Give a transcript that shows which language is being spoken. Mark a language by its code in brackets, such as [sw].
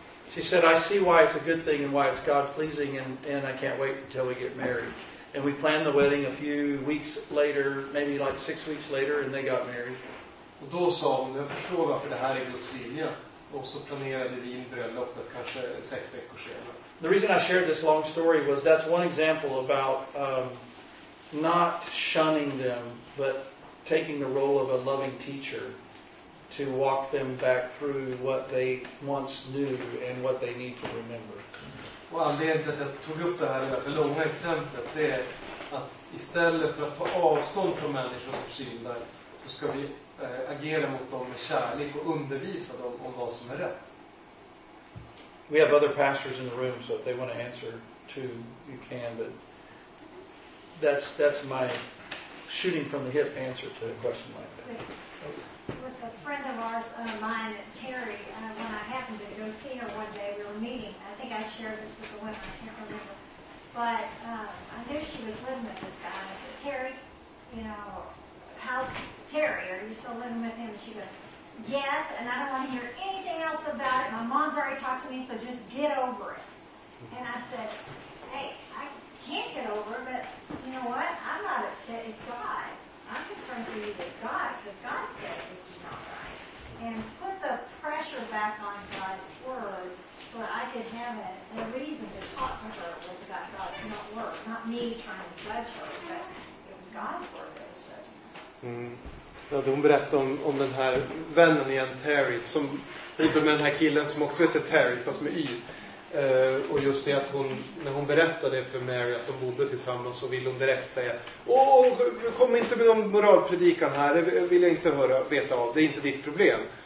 [en] She said, I see why it's a good thing and why it's God pleasing and I can't wait until we get married. And we planned the wedding a few weeks later, maybe like 6 weeks later, and they got married. [sv] Och då sa hon, jag förstår varför det här är Guds vilja. Och så planerade vi in bröllopet kanske 6 veckor senare. [en] The reason I shared this long story was that's one example about not shunning them, but taking the role of a loving teacher to walk them back through what they once knew and what they need to remember. [sv] Well, anledningen till att jag tog upp det här ganska långa exemplet det är att istället för att ta avstånd från människor som syndar så ska vi agera mot dem med kärlek och undervisa dem om vad som är rätt. [en] We have other pastors in the room, so if they want to answer too, you can. But that's my shooting from the hip answer to a question like that. With a friend of ours, mine, Terry, when I happened to go see her one day, we were meeting. I think I shared this with the women. I can't remember. But I knew she was living with this guy. I said, Terry, you know, how's Terry? Are you still living with him? And she goes, yes, and I don't want to hear anything else about it. My mom's already talked to me, so just get over it. And I said, hey, I can't get over it, but you know what? I'm not upset. It's God. I'm concerned for you that God, because God said this is not right. And put the pressure back on God's word so that I could have a reason to talk to her was about God's not work, not me trying to judge her, but it was God's word that was judging her. [sv] Ja, hon berättade om den här vännen igen, Terry, som bodde med den här killen som också heter Terry, fast med Y. Och just det att hon, när hon berättade för Mary att de bodde tillsammans, så ville hon direkt säga, åh, kom inte med någon moralpredikan här, det vill jag inte höra, veta av, det är inte ditt problem.